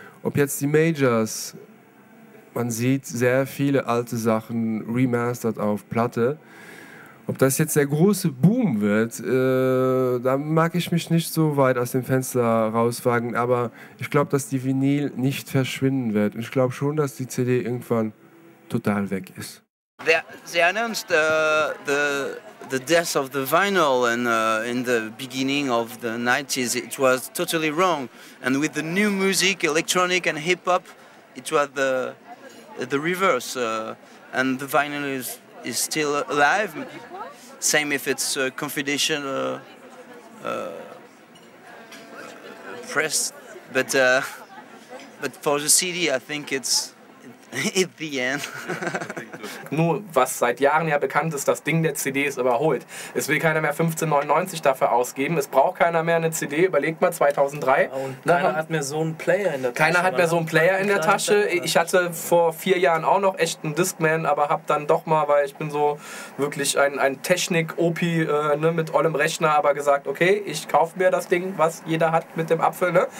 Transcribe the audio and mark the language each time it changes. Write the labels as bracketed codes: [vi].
[de] Ob jetzt die Majors, man sieht sehr viele alte Sachen remastered auf Platte. Ob das jetzt der große Boom wird, da mag ich mich nicht so weit aus dem Fenster rauswagen, aber ich glaube, dass die Vinyl nicht verschwinden wird. Und ich glaube schon, dass die CD irgendwann total weg ist. [en] They announced the death of the vinyl in the beginning of the 90s. It was totally wrong. And with the new music, electronic and hip-hop, it was the reverse. And the vinyl is still alive. Same if it's a confidential press, but for the CD, I think it's the end. [de] Nur was seit Jahren ja bekannt ist, das Ding der CD ist überholt. Es will keiner mehr 15,99 dafür ausgeben. Es braucht keiner mehr eine CD. Überlegt mal 2003. Und keiner hat mehr so einen Player in der Tasche. Keiner hat mehr so einen Player in der Tasche. Ich hatte vor 4 Jahren auch noch echt einen Discman, aber hab dann doch mal, weil ich bin so wirklich ein Technik-Opi mit ollem Rechner, aber gesagt, okay, ich kaufe mir das Ding, was jeder hat mit dem Apfel, ne?